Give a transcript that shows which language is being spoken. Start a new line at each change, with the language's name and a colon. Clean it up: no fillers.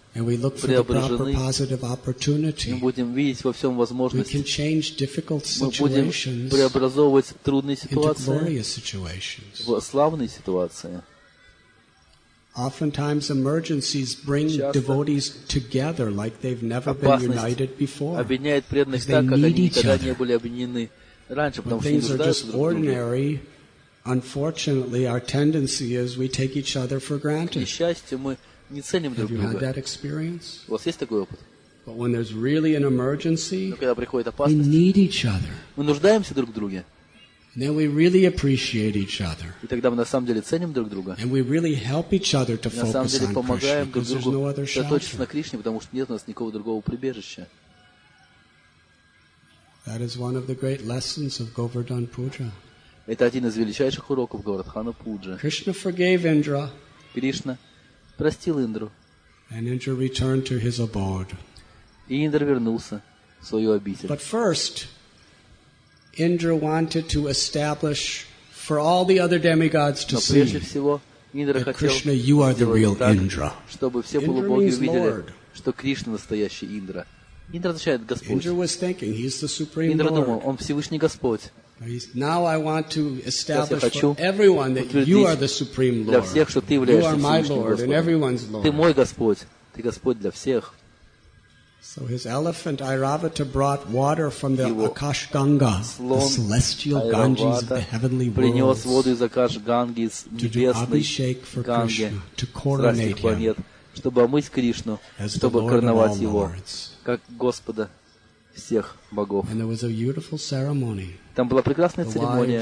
English: and we look for the proper positive opportunity,
Russian: мы будем видеть во всем возможность.
English: We can change difficult situations,
Russian: мы будем преобразовывать трудные ситуации
English: into glorious situations.
Russian: В славные ситуации.
English: Oftentimes emergencies bring devotees together like they've never been united before.
Russian: Объединяет преданных так, как они никогда не были объединены раньше, потому что
English: they're just ordinary. Unfortunately, our tendency is we take each other for granted.
Russian: К несчастью, мы не ценим друг друга.
English: Have you had that experience?
Russian: У вас есть такой опыт?
English: But when there's really an emergency,
Russian: когда приходит опасность,
English: we need each other.
Russian: Мы нуждаемся друг в друге.
English: And then we really appreciate each other.
Russian: И тогда мы на самом деле ценим друг друга.
English: And we really help each other to focus on Krishna.
Russian: На самом деле помогаем друг другу.
English: Because there's no other shelter.
Russian: На Кришне, потому что нет у нас никакого другого прибежища.
English: That is one of the great lessons of Govardhan Puja.
Russian: Это один из величайших уроков Гаурадхана Пуджи.
English: Krishna forgave Indra.
Russian: Кришна простил Индру.
English: And Indra returned to his abode.
Russian: И Индра вернулся в свою обитель.
English: But first, Indra wanted to establish for all the other demigods to see.
Russian: Но прежде всего Индра хотел сделать так, чтобы все полубоги увидели, что Кришна настоящий Индра. Индра означает Господь. Индра думал, он Всевышний Господь.
English: Now I want to establish for everyone that you are the supreme Lord.
Russian: Для всех, что ты являешься
English: you are my Lord and everyone's Lord.
Russian: Ты мой Господь. Ты Господь для всех.
English: So his elephant Airavata brought water from the Akash Ganga, the celestial Ganges of the heavenly worlds,
Russian: воду из Акаш Ганги, из небесной
English: for Ганги, to coronate
Russian: планет,
English: him,
Russian: чтобы омыть Кришну, чтобы короновать его, как Господа всех богов.
English: And there was a beautiful ceremony.
Russian: Там была прекрасная церемония.